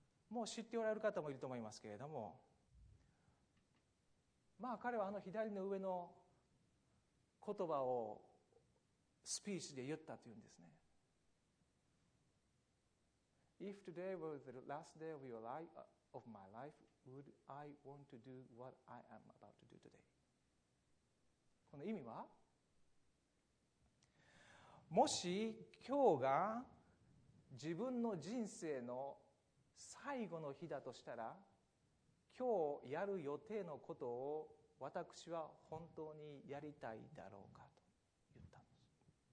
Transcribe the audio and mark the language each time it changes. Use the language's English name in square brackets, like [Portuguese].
[Japanese] もう知っておられる方もいると思いますけれども、まあ彼はあの左の上の言葉をスピーチで言ったというんですね。 [English] If today were the last day of your life, of my life, would I want to do what I am about to do today? [Japanese] この意味は、もし今日が自分の人生の最後の日だとしたら、今日やる予定のことを私は本当にやりたいだろうかと言ったんです。